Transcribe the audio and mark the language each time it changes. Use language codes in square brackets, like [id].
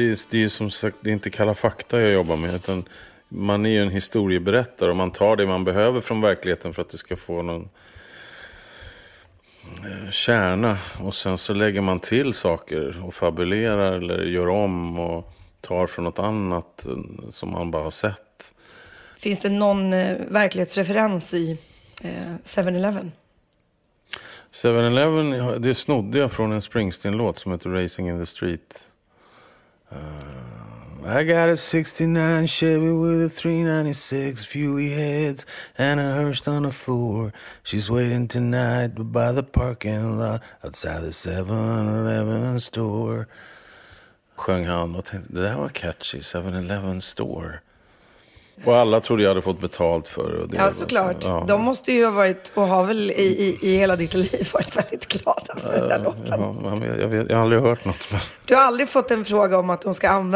[sv] Det är som sagt, det är inte Kalla fakta jag jobbar med, utan man är ju en historieberättare och man tar det man behöver från verkligheten för att det ska få någon kärna, och sen så lägger man till saker och fabulerar eller gör om och tar från något annat som man bara har sett. Finns det någon verklighetsreferens i 7-Eleven? 7-Eleven, det snodde jag från en Springsteen-låt som heter Racing in the Street. [en] I got a 69 Chevy with a 396 Fuey heads and a hearse on the floor. She's waiting tonight by the parking lot outside the 7-Eleven store. [sv] Sjöng han och tänkte, det där var catchy, 7-Eleven store. Och alla trodde jag hade fått betalt för det. Ja, såklart. Ja. De måste ju ha varit, och har väl i hela ditt liv varit väldigt glada för den låten. Ja, jag har aldrig hört något. Men... Du har aldrig fått en fråga om att de ska använda